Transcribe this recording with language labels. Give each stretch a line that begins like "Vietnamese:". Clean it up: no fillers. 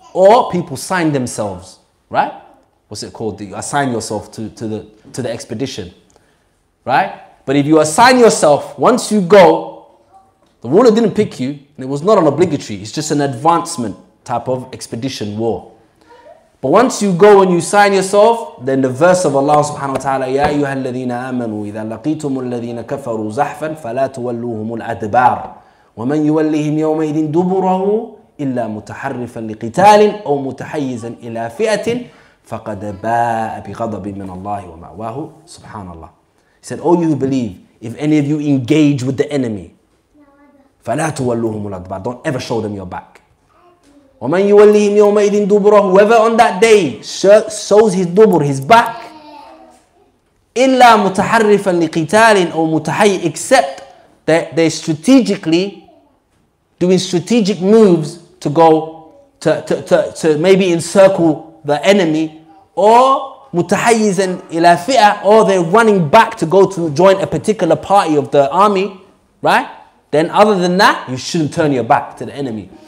English: Or people sign themselves, right? What's it called? You assign yourself to the expedition, right? But if you assign yourself, once you go, the ruler didn't pick you, and it was not an obligatory, it's just an advancement type of expedition war. But once you go and you sign yourself, then the verse of Allah subhanahu wa ta'ala,
Arabic: يَا أَيُّهَا الَّذِينَ آمَنُوا إِذَا لَقِيتُمُ الَّذِينَ كَفَرُوا زَحْفًا فَلَا تُوَلُّوهُمُ الْأَدْبَارِ وَمَنْ يُوَلِّهِمْ يَوْمَئِذٍ دُبُرَهُ إِلَّا مُتَحَرِّفًا لِقِتَالٍ أَوْ مُتَحَيِّزًا إِلَى فِئَةٍ فَقَدْ بَاءَ بِغَضَبٍ مِنَ اللَّهِ وَمَأْوَاهُ سُبْحَانَ اللَّهِ.
English: He said, oh, you believe, if any of you engage with the enemy,
Arabic: فَلَا تُوَلُّوهُمُ الْأَدْبَارِ,
English: don't ever show them your back.
Arabic: وَمَنْ يُوَلِّهِمْ يَوْمَئِذٍ دُبُرَهُ,
English: whoever on that day shows his dubur, his back,
Arabic: إِلَّا مُتَحَرِّفًا لِقِتَالٍ أَوْ مُتَحَيِّ,
English: except that they're strategically doing strategic moves to go to maybe encircle the enemy, or
Arabic: مُتَحَيِّزًا إِلَى فِئَةٍ,
English: or they're running back to go to join a particular party of the army, right? Then other than that, you shouldn't turn your back to the enemy.